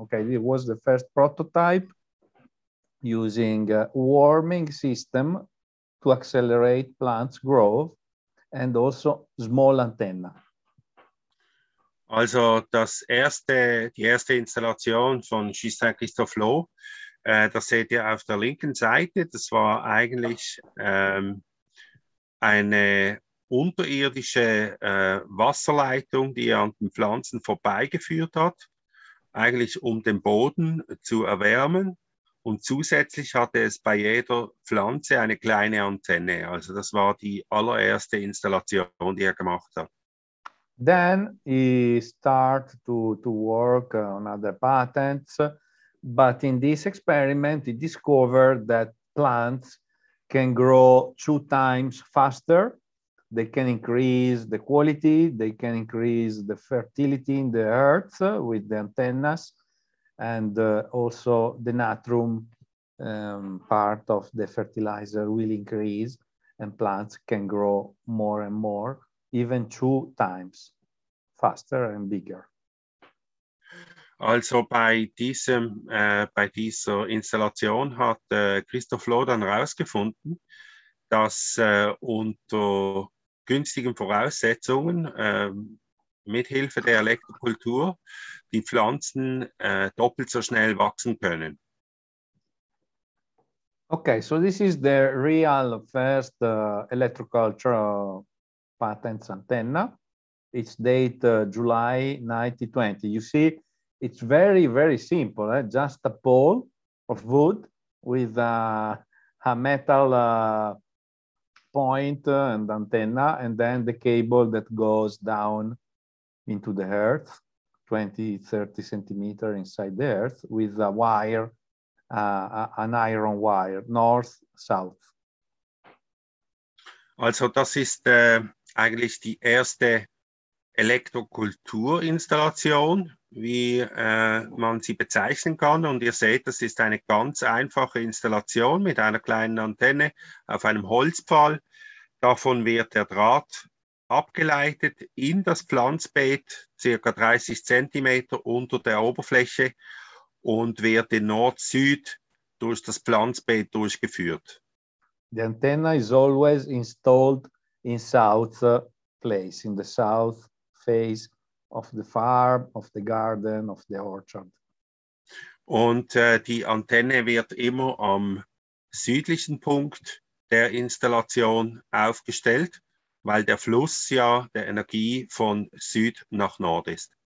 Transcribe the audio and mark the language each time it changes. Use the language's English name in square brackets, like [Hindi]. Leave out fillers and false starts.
[English] Okay, it was the first prototype using a warming system to accelerate plants' growth, and also small antenna. [German] Also die erste Installation von Justin Christophe Loh, das seht ihr auf der linken Seite. Das war eigentlich eine unterirdische Wasserleitung, die er an den Pflanzen vorbeigeführt hat, eigentlich um den Boden zu erwärmen. Und zusätzlich hatte es bei jeder Pflanze eine kleine Antenne. Also das war die allererste Installation, die er gemacht hat. [English] Then he start to work on other patents, but in this experiment he discovered that plants can grow 2 times faster. They can increase the quality, they can increase the fertility in the earth with the antennas, and also the natrum part of the fertilizer will increase, and plants can grow more and more, even 2 times faster and bigger. [German] Also bei dieser Installation hat Christophe Loh dann herausgefunden, dass unter günstigen Voraussetzungen mit Hilfe der Elektrokultur die Pflanzen doppelt so schnell wachsen können. [English] Okay, so this is the real first electrocultural patents antenna. It's date July 1920. You see, it's very, very simple. Eh? Just a pole of wood with a metal point and antenna, and then the cable that goes down into the earth, 20, 30 centimeters inside the earth, with a wire, an iron wire, north, south. [German] Also, das ist eigentlich die erste Elektrokulturinstallation, wie man sie bezeichnen kann. Und ihr seht, das ist eine ganz einfache Installation mit einer kleinen Antenne auf einem Holzpfahl. Davon wird der Draht abgeleitet in das Pflanzbeet, ca. 30 cm unter der Oberfläche, und wird in Nord-Süd durch das Pflanzbeet durchgeführt. [English] The antenna is always installed in south place, in the south face of the farm, of the garden, of the orchard. [German] Und die Antenne wird immer am südlichen Punkt der Installation aufgestellt, weil der Fluss ja der Energie von Süd nach Nord ist.